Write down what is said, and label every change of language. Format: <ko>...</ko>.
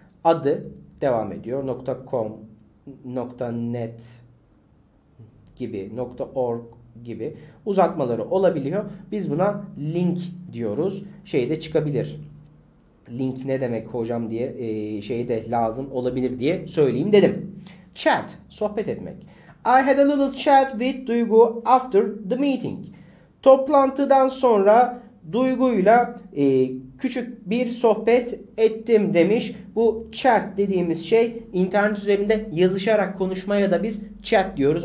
<tr>adı devam ediyor. .com, .net gibi, .org gibi uzatmaları olabiliyor. Biz buna link diyoruz. Şey de çıkabilir. Link ne demek hocam diye şey de lazım olabilir diye söyleyeyim dedim. Chat, sohbet etmek.</tr> <en>I had a little chat with Duygu after the meeting.</en> <tr>Toplantıdan sonra Duygu'yla küçük bir sohbet ettim demiş. Bu chat dediğimiz şey internet üzerinde yazışarak konuşmaya da biz chat diyoruz.</tr>